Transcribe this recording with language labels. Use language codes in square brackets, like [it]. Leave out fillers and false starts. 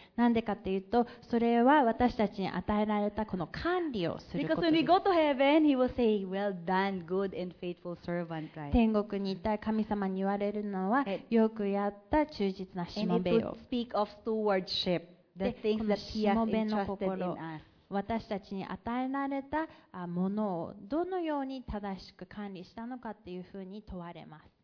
[ja] なんでかというとそれは私たちに与えられたこの管理をすることです。 [en] Because when we go to heaven, he will say, "Well done, good and faithful servant." [ja] 天国にいた神様に言われるのはよくやった忠実なしもべよ。 [en] And it would speak of stewardship, the things that he has entrusted in us. [ja] 私たちに与えられたものをどのように正しく管理したのかっていうふうに問われます。